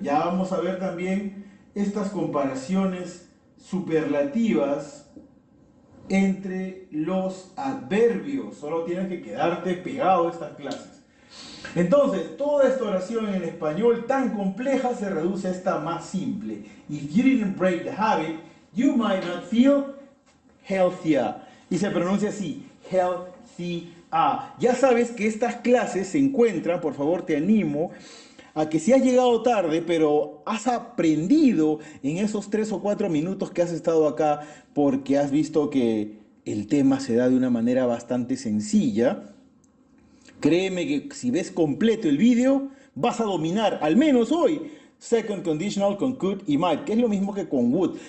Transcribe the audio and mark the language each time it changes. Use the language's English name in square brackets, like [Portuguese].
[Spanish] Ya vamos a ver también estas comparaciones superlativas entre los adverbios. Solo tienes que quedarte pegado a estas clases. Entonces, toda esta oración en español tan compleja se reduce a esta más simple. [English] If you didn't break the habit, you might not feel healthier. [Spanish] Y se pronuncia así, healthier. Ya sabes que estas clases se encuentran, por favor, te animo a que si has llegado tarde, pero has aprendido en esos 3 o 4 minutos que has estado acá, porque has visto que el tema se da de una manera bastante sencilla, créeme que si ves completo el video, vas a dominar, al menos hoy, Second Conditional con could y might, que es lo mismo que con would.